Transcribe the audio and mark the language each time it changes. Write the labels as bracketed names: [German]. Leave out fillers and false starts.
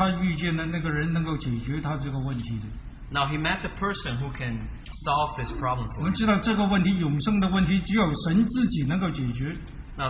[Chinese] 但是现在他遇见了那个人能够解决他这个问题的。 [English] Now he met the person who can solve this problem for him. [Chinese] 我们知道这个问题，永生的问题，只有神自己能够解决。 [English] Now